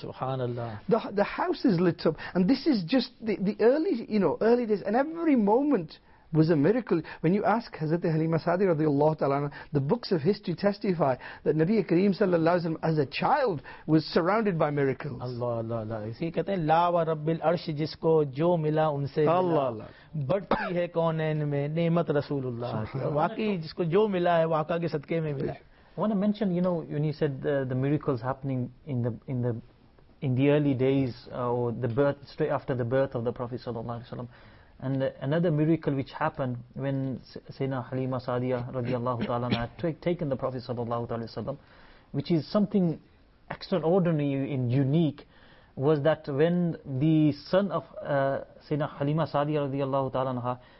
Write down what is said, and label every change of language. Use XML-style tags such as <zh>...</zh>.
<en>Subhanallah. The house is lit up, and this is just the early, you know, early days, and every moment was a miracle. When you ask Hazrat Halima Sadi radiallahu ta'ala, the books of history testify that Nabi Kareem sallallahu alayhi wa sallam as a child was surrounded by miracles. Allah, Allah, Allah.</en> <ur>اسی کہتے ہیں لا و رب العرش جس کو جو ملا ان سے ملا. Allah, Allah. بڑھتی ہے کونین میں نعمت رسول اللہ. واقعی جس کو جو ملا ہے وہ آقا کے صدقے میں ملا.</ur> <en>I want to mention, you know, when you said the miracles happening in the early days or the birth, straight after the birth of the Prophet sallallahu alayhi wa sallam. And another miracle which happened when Sayyidina Halima Sadia radiallahu ta'ala had taken the Prophet sallallahu alayhi wa sallam, which is something extraordinary and unique, was that when the son of Sayyidina Halima Sadia radiallahu ta'ala,</en>